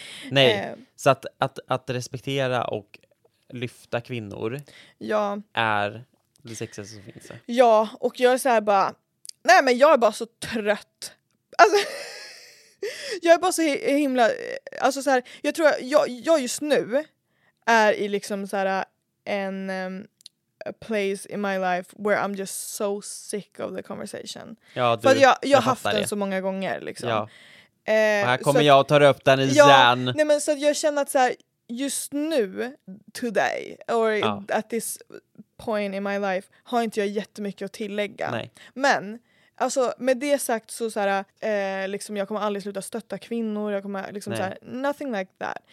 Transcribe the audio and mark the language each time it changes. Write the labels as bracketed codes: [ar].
[sv] Nej, så att respektera och lyfta kvinnor är det sexigaste som finns. Ja, och jag är så här bara... Nej, men jag är bara så trött. Alltså, jag är bara så himla... Alltså så här, jag tror att jag just nu är i liksom så här en... [en] a place in my life where I'm just so sick of the conversation. [sv] Ja, du, för jag har haft den så många gånger liksom. Ja. Här kommer jag att ta upp den igen. Nej, men så att jag känner att så här, just nu [en] today or at this point in my life [sv] har inte jag jättemycket att tillägga. Nej. Men alltså med det sagt så här liksom jag kommer aldrig sluta stötta kvinnor, jag kommer liksom så här, [en] nothing like that.